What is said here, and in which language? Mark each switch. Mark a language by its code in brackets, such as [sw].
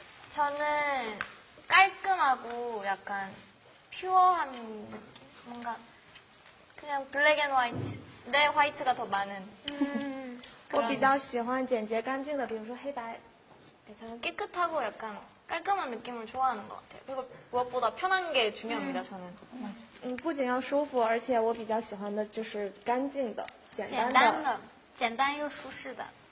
[ko] 저는 깔끔하고 약간 퓨어한 느낌? 뭔가 그냥 블랙 앤 화이트. 내 화이트가 더 많은. [zh] 我比较喜欢简洁干净的，比如说黑白。 [ko] 네, 저는 깨끗하고 약간 깔끔한 느낌을 좋아하는 것 같아요. 그리고 무엇보다 편한 게 중요합니다. 저는. [zh] 不仅要舒服，而且我比较喜欢的就是干净的、简单的、简单又舒适的。